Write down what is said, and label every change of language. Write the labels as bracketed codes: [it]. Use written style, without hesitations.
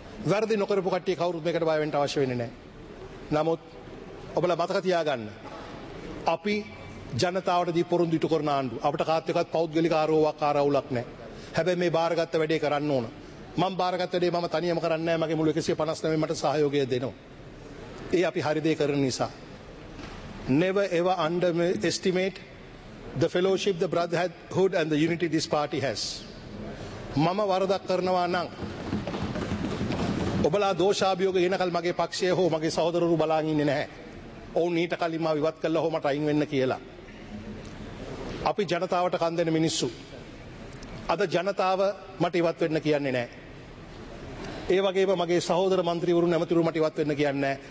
[si] වැරදි නොකරපු කට්ටිය කවුරුත් මේකට බය වෙන්න අවශ්‍ය වෙන්නේ නැහැ. නමුත් ඔබලා මතක තියාගන්න, අපි ජනතාවට දී පොරොන්දු ඉටු කරන ආණ්ඩුව. අපිට කාත් එක්කත් පෞද්ගලික ආරෝවක් ආරවුලක් නැහැ. හැබැයි මේ බාරගත්ත වැඩේ කරන්න ඕන. මම බාරගත්ත වැඩේ මම තනියම කරන්නේ නැහැ. මගේ මුළු 159 මට සහයෝගය දෙනවා. ඒ අපි හරි දේ කරන නිසා. [en] Never ever underestimate the fellowship, the brotherhood and the unity this party has. [si] මම වරදක් කරනවා නම් ඔබලා දෝෂාභියෝග එනකල් මගේ පක්ෂය හෝ මගේ සහෝදරරු බලන් ඉන්නේ නැහැ. ඔවුන් ඊට කලින්ම විවාද කළා හෝ මට අයින් වෙන්න කියලා. අපි ජනතාවට කන් දෙන මිනිස්සු. අද ජනතාව මට ඉවත් වෙන්න කියන්නේ නැහැ. ඒ වගේම මගේ සහෝදර මන්ත්‍රීවරුන් නැමතිරු මට ඉවත් වෙන්න කියන්නේ නැහැ.